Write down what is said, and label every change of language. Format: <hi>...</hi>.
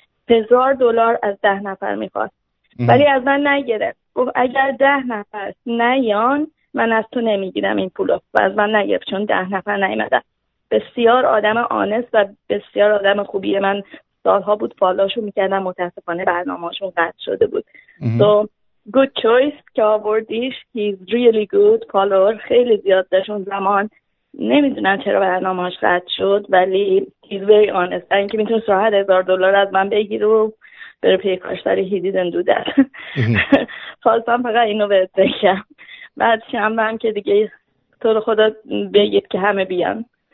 <fa>$1000 از 10 نفر میخواست، ولی از من نگرفت. گفت اگر 10 نفر نیان من از تو نمیگیرم این پولو، و از من نگرفت چون 10 نفر نیومدن. بسیار آدم آنست و بسیار آدم خوبیه. من سالها بود فالوشو میکردم، متاسفانه برنامهاشون قطع شده بود.</fa> <en>So good choice</en> <fa>که آوردیش.</fa> <en>He's really good follower.</en> <fa>خیلی زیاد داشت اون زمان. نمیدونم چرا برنامهاش قطع شد، ولی</fa> <en>he's very honest.</en> <fa>این که میتونست راحت $1000 از من بگیر و بره پی کاشتاری.</fa> <en>He didn't do that.</en> <fa>خواستم فقط اینو بهت بگم. بعد شنبه هم که دیگه تو رو خدا بگید که همه بیان.</fa>